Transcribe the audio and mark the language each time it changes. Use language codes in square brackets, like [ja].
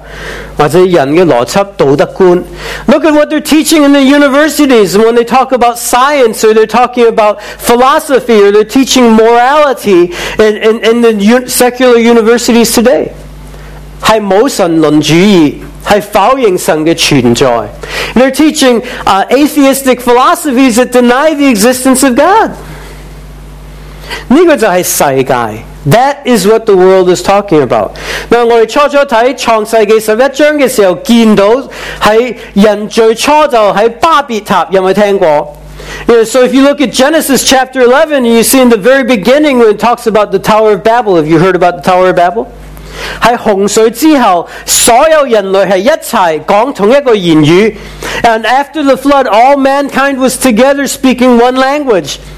[zh] 你看我們大學裡面所教的哲學、科學，或者人的邏輯、道德觀。 [en] Look at what they're teaching in the universities when they talk about science, or they're talking about philosophy, or they're teaching morality in the secular universities today. [zh] 是無神論主義，是否認神的存在。 [en] And they're teaching atheistic philosophies that deny the existence of God. [zh] 這就是世界。 [en] That is what the world is talking about. [zh] 那我們初初看創世記11章的時候，見到人最初就在巴別塔，有沒有聽過？ [en] So if you look at Genesis chapter 11, you see in the very beginning when it talks about the Tower of Babel. Have you heard about the Tower of Babel? [zh] 在洪水之後，所有人類是一齊講同一個言語。 [en] And after the flood, all mankind was together speaking one language.